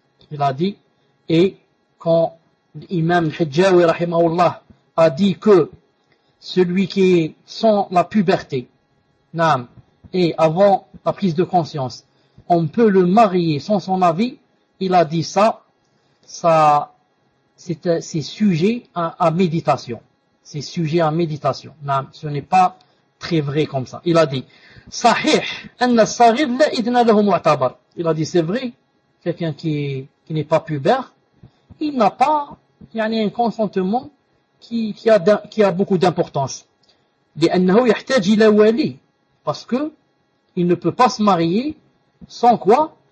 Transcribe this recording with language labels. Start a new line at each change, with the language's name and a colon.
French: Il a dit, et quand l'imam Al-Hijjawi rahimahullah a dit que celui qui est sans la puberté, naam, et avant la prise de conscience, on peut le marier sans son avis, il a dit ça, ça c'est sujet à méditation. C'est sujet à méditation. Naam, ce n'est pas très vrai comme ça. Il a dit,
Arabic: صحيح أن الصغير لا إذن له معتبر.
French: Il a dit, c'est vrai, quelqu'un qui n'est pas pubère, il n'a pas, يعني, un consentement qui a beaucoup d'importance.
Arabic: لأنه يحتاج إلى ولي.
French: Parce que il ne peut pas se marier sans quoi?